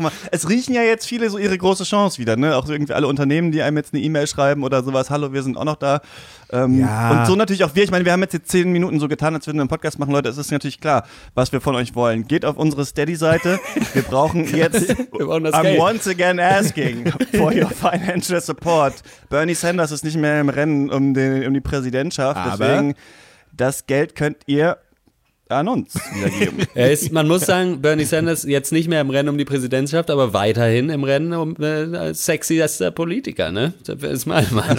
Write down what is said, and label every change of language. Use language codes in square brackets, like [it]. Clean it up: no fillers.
[de] Es riechen ja jetzt viele so ihre große Chance wieder, ne? Auch irgendwie alle Unternehmen, die einem jetzt eine E-Mail schreiben oder sowas. Hallo, wir sind auch noch da. Und so natürlich auch wir. Ich meine, wir haben jetzt 10 Minuten so getan, als würden wir einen Podcast machen. Leute, es ist natürlich klar, was wir von euch wollen. Geht auf unsere Steady-Seite. Wir brauchen jetzt, wir brauchen das [en] I'm [de] Geld. [en] Once again asking for your financial support. [de] Bernie Sanders ist nicht mehr im Rennen um die Präsidentschaft. Aber deswegen, das Geld könnt ihr an uns wiedergeben. Man muss sagen, Bernie Sanders jetzt nicht mehr im Rennen um die Präsidentschaft, aber weiterhin im Rennen um sexiester Politiker. Ne? Das ist meine Meinung.